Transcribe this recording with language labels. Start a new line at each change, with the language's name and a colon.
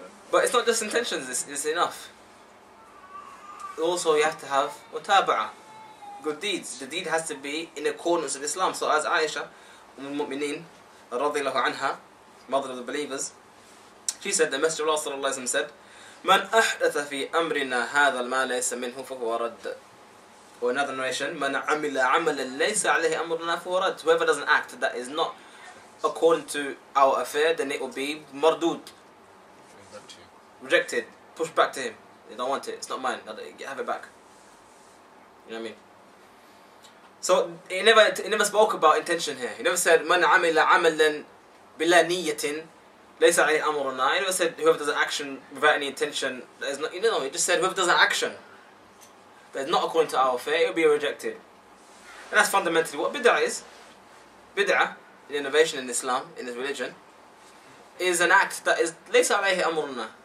English: But it's not just intentions, it's enough. Also, you have to have mutaba'ah, good deeds. The deed has to be in accordance with Islam. So as Aisha, Umm al-Mu'mineen, radiallahu anha, mother of the believers, she said, the Messenger of Allah sallallahu alayhi wa sallam said,
Arabic: "من أحدث في أمرنا هذا ما ليس منه فهو رد." Or another narration, "من عمل عملا ليس عليه أمرنا فهو رد."
English: Whoever does an act that is not according to our affair, then it will be مردود, rejected, pushed back to him. "You don't want it, it's not mine, have it back." You know what I mean? So he never spoke about intention here. He never said,
Arabic: "من عمل عملا بلا نية ليس عليه أمرنا."
English: He never said whoever does an action without any intention. There's not, you know, he just said whoever does an action that is not according to our faith, it will be rejected. And that's fundamentally what bid'ah is. Bid'ah, the innovation in Islam, in this religion, is an act that is
Arabic: ليس عليه أمرنا.